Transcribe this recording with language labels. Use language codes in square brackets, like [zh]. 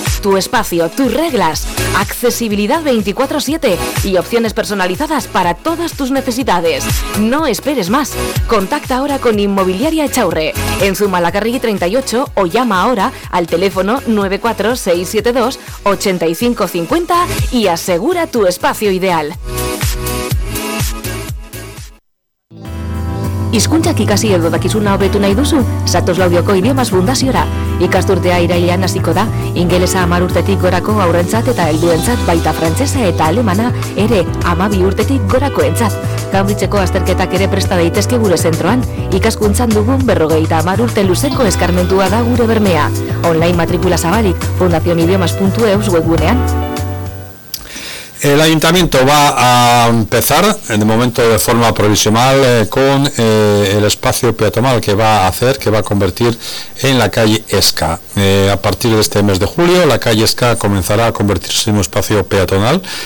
[es] Tu espacio, tus reglas, accesibilidad 24/7 y opciones personalizadas para todas tus necesidades. No esperes más. Contacta ahora con Inmobiliaria Echaurre en Zumalacárregui 38 o llama ahora al teléfono 94672-8550 y asegura tu espacio ideal. [eu] Hizkuntzak ikasi edo dakizuna hobetu nahi duzu? Zatoz Laudioko Idiomas Fundaziora. Ikasturtea irailean hasiko da, ingelesa 10 urtetik gorako haurrentzat eta helduentzat, baita frantsesa eta alemana ere 12 urtetik gorakoentzat. Cambridgeko azterketak ere presta daitezke gure zentroan. Ikaskuntzan dugun 50 urte luzeko eskarmentua da gure bermea. Online matrikula zabalik, fundacionidiomas.eu webgunean. [es] El ayuntamiento va a empezar, en el momento de forma provisional, con el espacio peatonal que va a hacer, que va a convertir en la calle Esca. A partir de este mes de julio, la calle Esca comenzará a convertirse en un espacio peatonal.